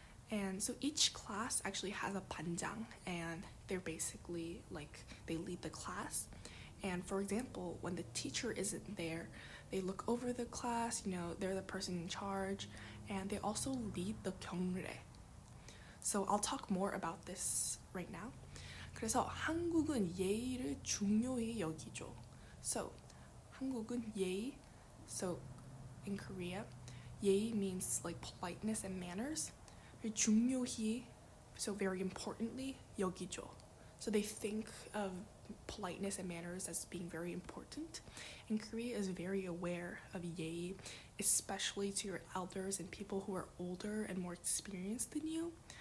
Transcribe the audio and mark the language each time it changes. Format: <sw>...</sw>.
<en>And so each class actually has a 반장, and they're basically like they lead the class. And for example, when the teacher isn't there, they look over the class, you know, they're the person in charge. And they also lead the 경례. So I'll talk more about this right now.</en> <ko>그래서 한국은 예의를 중요히 여기죠. So 한국은 예의.</ko> <en>So in Korea, 예의 means like politeness and manners.</en> <ko>중요히,</ko> <en>so very importantly,</en> <ko>여기죠.</ko> <en>So they think of politeness and manners as being very important. And Korea is very aware of 예의, especially to your elders and people who are older and more experienced than you.</en>